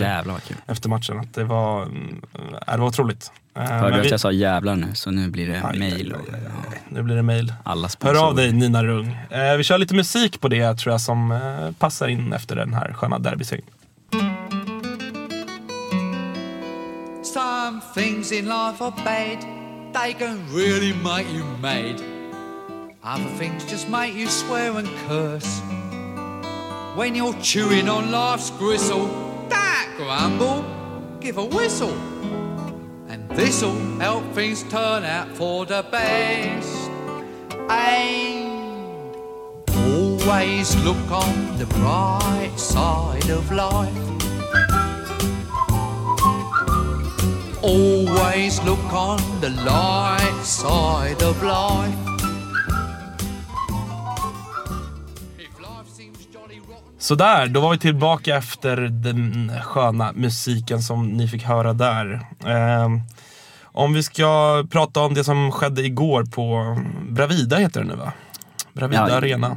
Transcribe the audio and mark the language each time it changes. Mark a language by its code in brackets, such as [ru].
[sv] jävla kul. Efter matchen. Att det var otroligt. Hörde att jag sa jävlar nu, så nu blir det mejl. Nu blir det mejl. Alla sponsorer. Hör av dig, Nina Rung. Vi kör lite musik på det, tror jag, som passar in efter den här sköna derbysängen. [en] Some things in life are bad. They can really make you mad. Other things just make you swear and curse. When you're chewing on life's gristle, that grumble, give a whistle. This'll help things turn out for the best. And always look on the bright side of life. Always look on the light side of life. [sv] Så där, då var vi tillbaka efter den sköna musiken som ni fick höra där. Om vi ska prata om det som skedde igår på Bravida, heter det nu, va? Bravida, ja, Arena.